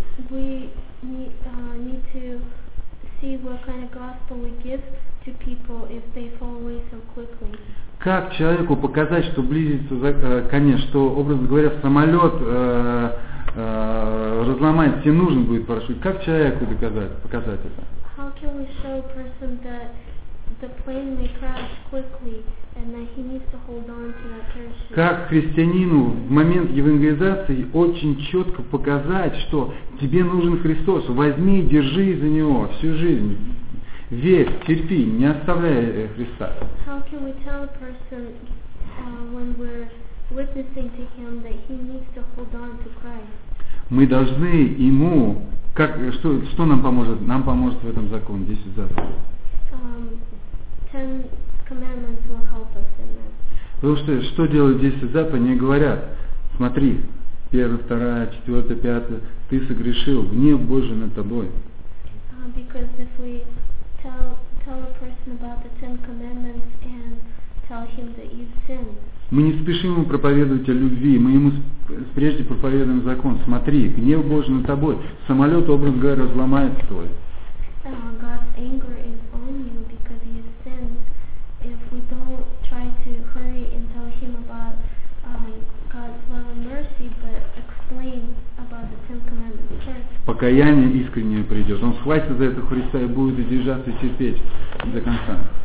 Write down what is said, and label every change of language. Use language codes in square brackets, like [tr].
[en] We need to see what kind of gospel we give to people if they fall away so quickly. [ru] Как человеку показать, что близится конец, что, образно говоря, самолет разломает, тебе нужен будет парашют? Как человеку показать это? [en] How can we show a person that the plane may crash quickly and that he needs to hold on to that parachute? [ru] Как христианину в момент евангелизации очень четко показать, что тебе нужен Христос, возьми, держи за него всю жизнь. Верь, терпи, не оставляй Христа. [en] How can we tell a person when we're witnessing to him that he needs to hold on to Christ? [ru] Мы должны ему, как, что нам поможет? Нам поможет в этом закон, 10 заповедей. [en] Ten commandments will help us in that. [ru] Потому что делают 10 заповедей? Они говорят, смотри, 1, 2, 4, 5, ты согрешил, гнев Божий над тобой. [en] Because if we tell a person about the Ten Commandments and tell him that you've sinned. [ru] Мы не спешим ему проповедовать о любви, мы ему прежде проповедуем закон. Смотри, гнев Божий над тобой. Самолет, образ говоря, разломает твой. [en] God's anger is on you because you sin. If we don't try to hurry and tell him about God's love and mercy, but explain about the Ten Commandments first. [ru] Покаяние искреннее придет. Он схватится за этого Христа и будет держаться и терпеть до конца.